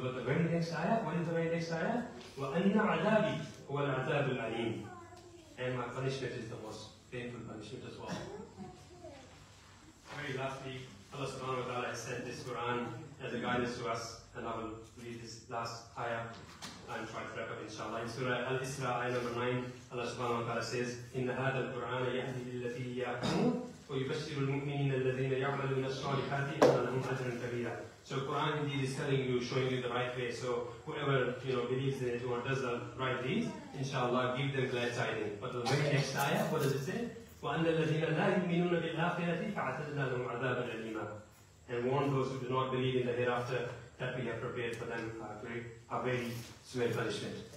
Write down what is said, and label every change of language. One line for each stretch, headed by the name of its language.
English: But the very next ayah, what is the very next ayah?
Arabic: وَأَنَّ عَذَابِي هُوَ الْعَذَابُ الْعَلِيمُ.
English: And my punishment is the most painful punishment as well. Very lastly, Allah subhanahu wa ta'ala has sent this Quran as a guidance to us. And I will read this last ayah and try to wrap up inshallah. In Surah Al-Isra, ayah number 9, Allah subhanahu wa ta'ala says,
Arabic: إِنَّ هَذَا الْقُرْآنَ يَهْدِي لِلَّتِي هِيَ أَحْسَنُ وَيُبَشِّرُ الْمُؤْمِنِينَ الَّذِينَ يَعْمَلُونَ الصَّالِحَاتِ أَنَّ لَهُمْ أَجْرًا كَبِيرًا.
English: So Quran indeed is telling you, showing you the right way. So whoever, you know, believes in it or does the right deeds, inshallah, give them glad tidings. But the very next ayah, what does it say?
Arabic: وَأَنَّ الَّذِينَ لَا يُؤْمِنُونَ بِالْآخِرَةِ فَعَتَدْنَا لَهُمْ عَذَابًا أَلِيمًا.
English: And warn those who do not believe in the hereafter that we have prepared for them a very severe punishment.